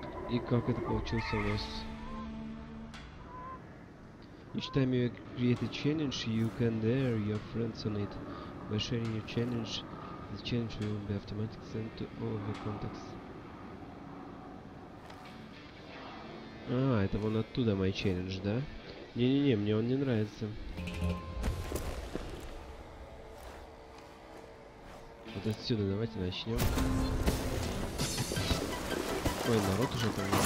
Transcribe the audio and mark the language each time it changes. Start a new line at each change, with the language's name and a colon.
Russian: и как это получилось у вас.
English: Each time you create a challenge, you can dare your friends on it. By sharing your challenge, the challenge will be automatically sent to all of your contacts.
Russian: А, это вон оттуда мой челлендж, да? Не-не-не, мне он не нравится. Вот отсюда давайте начнем. Ой, народ уже там.